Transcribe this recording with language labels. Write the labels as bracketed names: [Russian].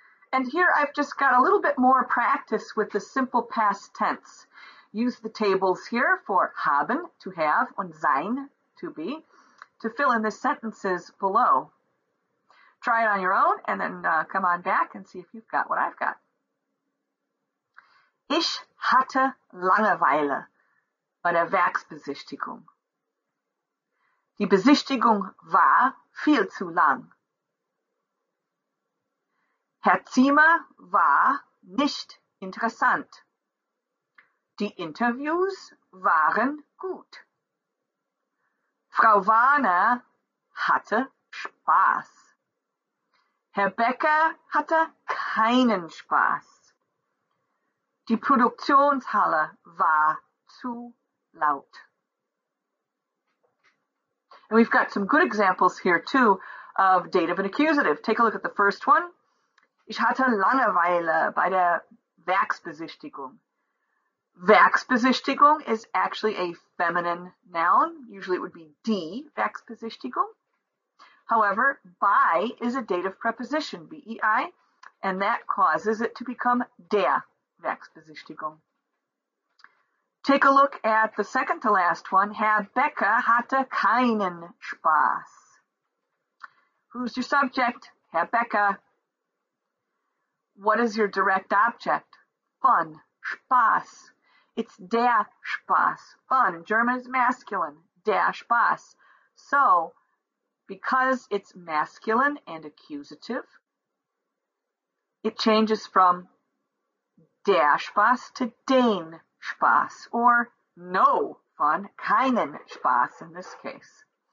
[English] And here I've just got a little bit more practice with the simple past tense. Use the tables here for haben, to have, und sein, to be, to fill in the sentences below. Try it on your own and then come on back and see if you've got what I've got. [German] Ich hatte Langeweile bei der Werksbesichtigung. Die Besichtigung war viel zu lang. Herr Zimmer war nicht interessant. Die Interviews waren gut. Frau Warner hatte Spaß. Herr Becker hatte keinen Spaß. Die Produktionshalle war zu laut. [English] And we've got some good examples here too of dative and accusative. Take a look at the first one. [German] Ich hatte Langeweile bei der Werksbesichtigung. [English] Werksbesichtigung is actually a feminine noun. Usually it would be die Werksbesichtigung. However, by is a dative preposition, B-E-I, and that causes it to become der Werksbesichtigung. Take a look at the second to last one. [German] Herr Becker hatte keinen Spaß. [English] Who's your subject? Herr Becker. What is your direct object? Fun, Spaß. It's der Spaß. Fun. German is masculine. Der Spaß. So, because it's masculine and accusative, it changes from der Spaß to den Spaß, or no fun, keinen Spaß in this case.